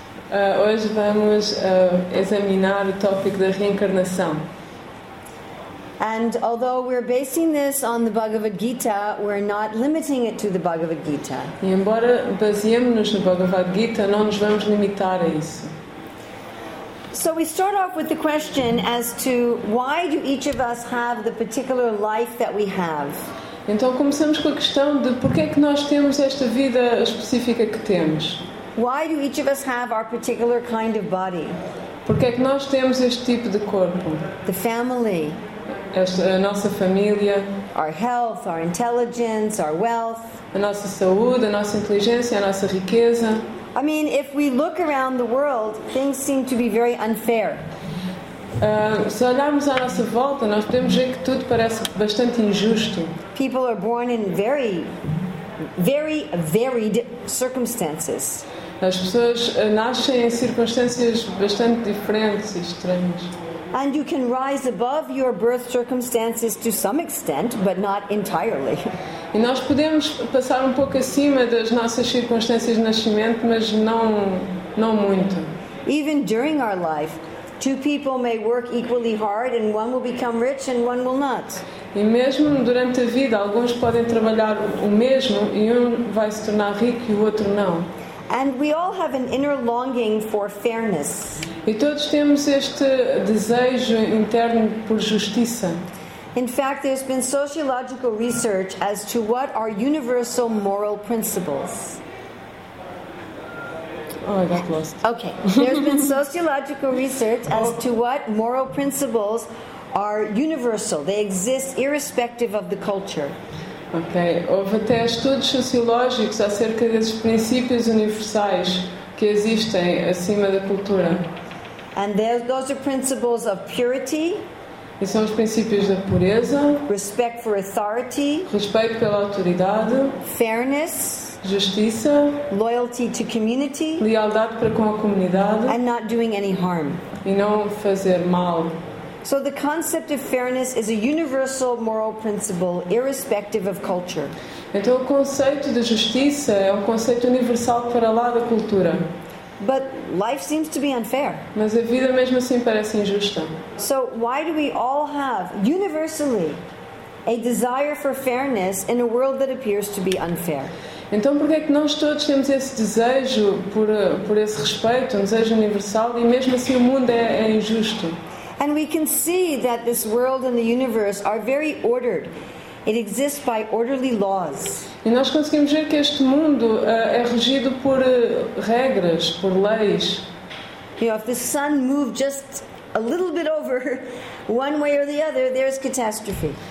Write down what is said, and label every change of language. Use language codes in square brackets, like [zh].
[pt] Hoje vamos examinar o tópico da reencarnação. [en] And although we're basing this on the Bhagavad Gita, we're not limiting it to the Bhagavad Gita. [pt] E embora baseemos-nos no Bhagavad Gita, não nos vamos limitar a isso. [en] So we start off with the question as to why do each of us have the particular life that we have? [pt] Então começamos com a questão de por que é que nós temos esta vida específica que temos? [en] Why do each of us have our particular kind of body? [pt] Por que é que nós temos este tipo de corpo? [en] The family. [pt] A nossa família. [en] Our health, our intelligence, our wealth. [pt] A nossa saúde, a nossa inteligência, a nossa riqueza. [en] I mean, if we look around the world, things seem to be very unfair. [pt] Se olharmos à nossa volta, nós podemos ver que tudo parece bastante injusto. [en] People are born in very, very varied circumstances. [pt] As pessoas nascem em circunstâncias bastante diferentes e estranhas. [en] And you can rise above your birth circumstances to some extent, but not entirely. [pt] E nós podemos passar um pouco acima das nossas circunstâncias de nascimento, mas não muito. [en] Even during our life, two people may work equally hard and one will become rich and one will not. [pt] E mesmo durante a vida, alguns podem trabalhar o mesmo e um vai se tornar rico e o outro não. [en] And we all have an inner longing for fairness. [pt] E todos temos este desejo interno por justiça. [en] In fact, there's been sociological research as to what are universal moral principles. Oh, I got lost. Okay. There's been sociological research as to what moral principles are universal. They exist irrespective of the culture. [pt] Okay. Houve até estudos sociológicos acerca desses princípios universais que existem acima da cultura. [en] And those are principles of purity. [pt] E são os princípios da pureza, [en] respect for authority, [pt] respeito pela autoridade, [en] fairness, [pt] justiça, [en] loyalty to community, [pt] lealdade para com a comunidade, [en] and not doing any harm. [pt] E não fazer mal. [en] So the concept of fairness is a universal moral principle, irrespective of culture. [pt] Então o conceito de justiça é um conceito universal para lá da cultura. [en] But life seems to be unfair. [pt] Mas a vida mesmo assim parece injusta. [en] So why do we all have universally a desire for fairness in a world that appears to be unfair? [pt] Então, porquê é que nós todos temos esse desejo por esse respeito, um desejo universal, e mesmo assim o mundo é injusto? [en] And we can see that this world and the universe are very ordered. It exists by orderly laws. [pt] E nós conseguimos ver que este mundo é regido por regras, por leis. [en] You know, if the sun moved just a little bit over one way or the other, there's catastrophe.